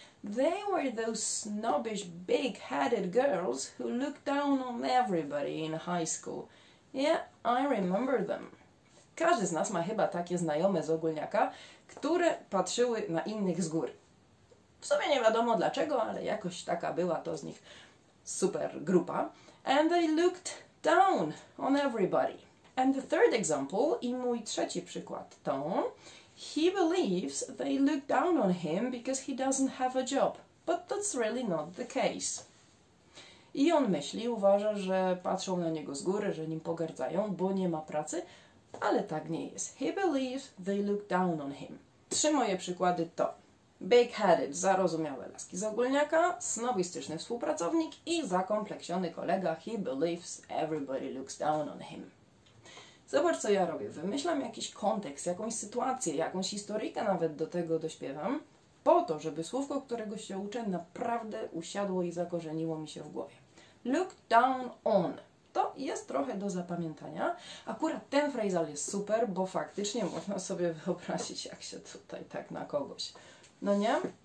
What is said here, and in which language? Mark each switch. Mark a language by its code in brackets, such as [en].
[en] They were those snobbish, big-headed girls who looked down on everybody in high school. Yeah, I remember them. [pl] Każdy z nas ma chyba takie znajome z ogólniaka, które patrzyły na innych z góry. W sumie nie wiadomo dlaczego, ale jakoś taka była to z nich super grupa. [en] And they looked down on everybody. And the third example, [pl] i mój trzeci przykład to: [en] he believes they look down on him because he doesn't have a job. But that's really not the case. [pl] I on myśli, uważa, że patrzą na niego z góry, że nim pogardzają, bo nie ma pracy, ale tak nie jest. [en] He believes they look down on him. [pl] Trzy moje przykłady to: big-headed, zarozumiałe laski z ogólniaka, snobistyczny współpracownik i zakompleksiony kolega. [en] He believes everybody looks down on him. [pl] Zobacz, co ja robię. Wymyślam jakiś kontekst, jakąś sytuację, jakąś historyjkę nawet do tego dośpiewam, po to, żeby słówko, którego się uczę, naprawdę usiadło i zakorzeniło mi się w głowie. [en] Look down on. [pl] To jest trochę do zapamiętania. Akurat ten phrasal jest super, bo faktycznie można sobie wyobrazić, jak się tutaj tak na kogoś. No nie?